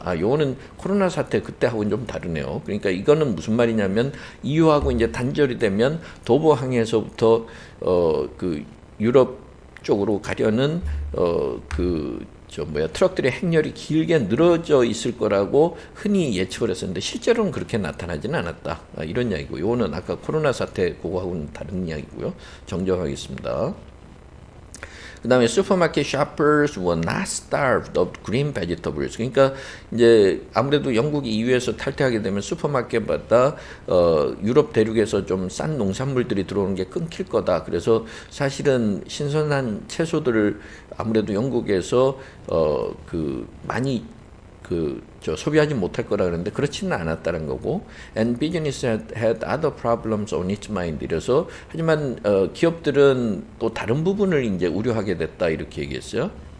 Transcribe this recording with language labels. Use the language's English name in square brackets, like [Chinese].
[Korean] 아, 요거는 코로나 사태 그때하고는 좀 다르네요. 그러니까 이거는 무슨 말이냐면 EU하고 이제 단절이 되면 도버항에서부터 그 유럽 쪽으로 가려는 트럭들의 행렬이 길게 늘어져 있을 거라고 흔히 예측을 했었는데 실제로는 그렇게 나타나지는 않았다. 아, 이런 이야기고 요거는 아까 코로나 사태 그거하고는 다른 이야기고요. 정정하겠습니다. 그 다음에 슈퍼마켓 [English] shoppers were not starved of green vegetables. [Korean] 그러니까 이제 아무래도 영국이 EU에서 탈퇴하게 되면 슈퍼마켓마다 유럽 대륙에서 좀 싼 농산물들이 들어오는 게 끊길 거다. 그래서 사실은 신선한 채소들을 아무래도 영국에서 많이 소비하지 못할 거라 그러는데 그렇지는 않았다는 거고 [English] and business had other problems on its mind [Korean] 이래서 하지만 기업들은 또 다른 부분을 이제 우려하게 됐다 이렇게 얘기했어요.